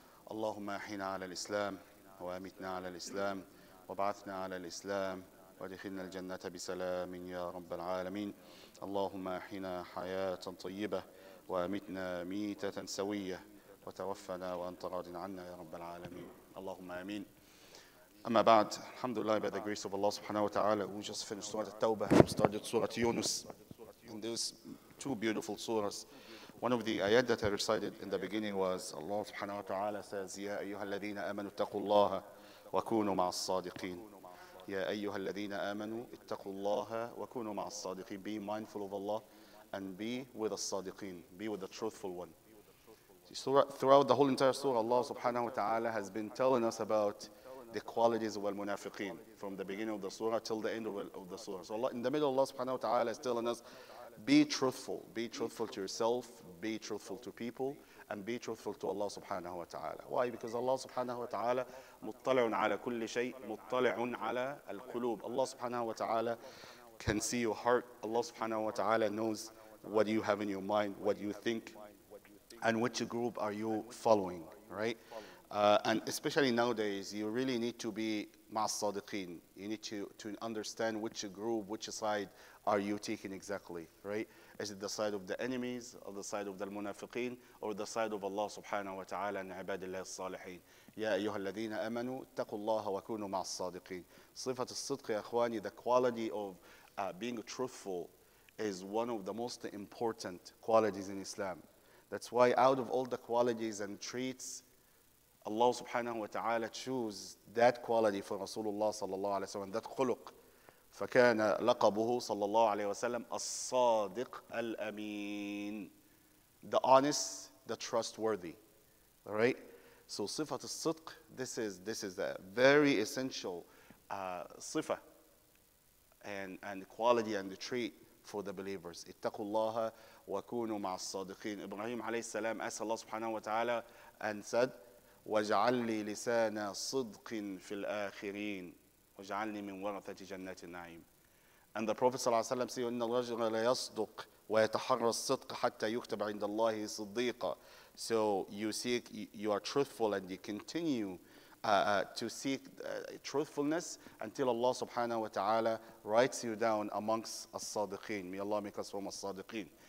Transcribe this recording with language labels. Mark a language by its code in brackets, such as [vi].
[ar] اللهم أحينا على الإسلام وأمتنا على الإسلام وابعثنا على الإسلام وادخلنا الجنة بسلام يا رب العالمين. اللهم أحينا حياة طيبة وأمتنا ميتة سوية، وتوفنا وأنت راض عنا يا رب العالمين. اللهم آمين. أما بعد، الحمد لله. [en] By the grace of Allah [ar] سبحانه وتعالى, [en] we just finished سورة التوبة. We started سورة يونس. And there's two beautiful surahs. One of the ayat that I recited in the beginning was Allah [ar] سبحانه وتعالى [en] says, [ar] يا أيها الذين آمنوا اتقوا الله وكونوا مع الصادقين. يا أيها الذين آمنوا اتقوا الله وكونوا مع الصادقين. [en] Be mindful of Allah and be with the Sadiqeen, be with the truthful one. Throughout the whole entire surah, Allah subhanahu wa ta'ala has been telling us about the qualities of al-munafiqeen from the beginning of the surah till the end of the surah. So Allah, in the middle, Allah subhanahu wa ta'ala is telling us, be truthful to yourself, be truthful to people, and be truthful to Allah subhanahu wa ta'ala. Why? Because Allah subhanahu wa ta'ala [ar] muttala'un ala kulli shay, muttala'un ala al-qulub. [en] Allah subhanahu wa ta'ala can see your heart. Allah subhanahu wa ta'ala knows what you have in your mind, what you think, and which group are you following, right? And especially nowadays, you really need to be ma'as-sadiqeen. You need to understand which group, which side are you taking exactly, right? Is it the side of the enemies, or the side of the munafiqeen, or the side of Allah subhanahu wa ta'ala and ibadillah as-salihin? [ar] يا أيها الذين آمنوا اتقوا الله وكونوا مع الصادقين. صفة الصدق يا أخواني, [en] the quality of being truthful is one of the most important qualities in Islam. That's why out of all the qualities and traits, Allah subhanahu wa ta'ala choose that quality for Rasulullah sallallahu alayhi wa sallam, that khuluq. [ar] فَكَانَ لَقَبُهُ صَلَّى اللَّهُ عَلَيْهِ وَسَلَّمَ الصَّادِقْ الْأَمِينَ, [en] the honest, the trustworthy, all right? So [ar] صِفَةُ الصِّدْقِ, [en] this is a very essential صِفَة and quality and the trait for the believers. [ar] اتَّقُوا اللَّهَ وَكُونُوا مَعَ الصَّادِقِينَ. [en] Ibrahim alayhi salam asked Allah subhanahu wa ta'ala and said, [ar] وَجْعَلِّي لِسَانَ صِدْقٍ فِي الْآخِرِينَ وَجْعَلْنِي مِنْ وَرَثَةِ جَنَّةِ النَّعِيمِ. [en] And the Prophet sallallahu alayhi wa sallam said, [ar] إِنَّ الرَّجُلَ لَيَصْدُقْ وَيَتَحَرَّ الصِّدْقَ حَتَّى يُكْتَبَ عِنْدَ اللَّهِ صِدِّيقًا. [en] So you seek, you are truthful and you continue to seek truthfulness until Allah subhanahu wa ta'ala writes you down amongst as-sadiqeen. May Allah make us from as-sadiqeen.